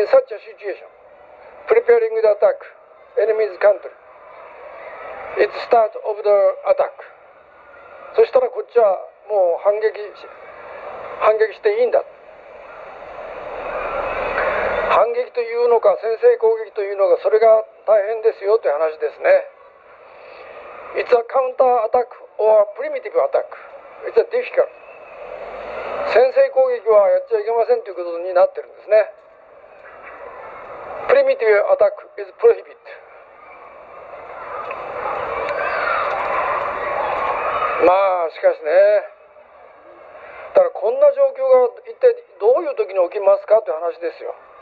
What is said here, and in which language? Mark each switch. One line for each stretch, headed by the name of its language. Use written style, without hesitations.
English: In such a situation preparing the attack enemy's country it's start of the attack
Japanese: そしたらこっちはもう反撃していいんだ。反撃というのか先制攻撃というのかそれが大変ですよという話ですね。
English: It's a counter attack or a primitive attack. It's a difficult.
Japanese: 先制攻撃はやっちゃいけませんということになってるんですね。
English: Primitive attack is prohibited.
Japanese: まあしかしね、だからこんな状況が一体どういう時に起きますかという話ですよ。